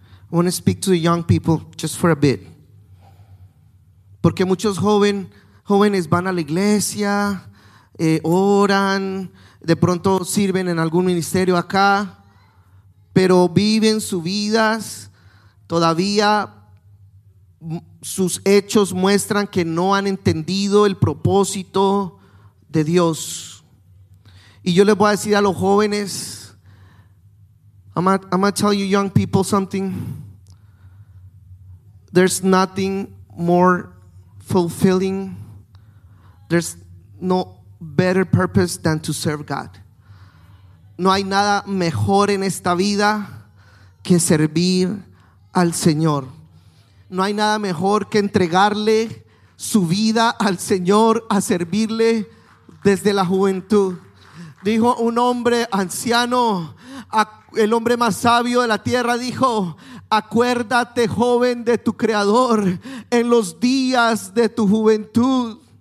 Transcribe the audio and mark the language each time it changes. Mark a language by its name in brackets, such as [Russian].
[English] I want to speak to the young people just for a bit. [Spanish] Porque muchos jóvenes van a la iglesia, oran, de pronto sirven en algún ministerio acá, pero viven sus vidas todavía sus hechos muestran que no han entendido el propósito de Dios. Y yo les voy a decir a los jóvenes, [English] I'm gonna tell you young people something. There's nothing more fulfilling. There's no better purpose than to serve God. [Spanish] No hay nada mejor en esta vida que servir al Señor. No hay nada mejor que entregarle su vida al Señor, a servirle desde la juventud. Dijo un hombre anciano, el hombre más sabio de la tierra, dijo: acuérdate, joven, de tu Creador en los días de tu juventud.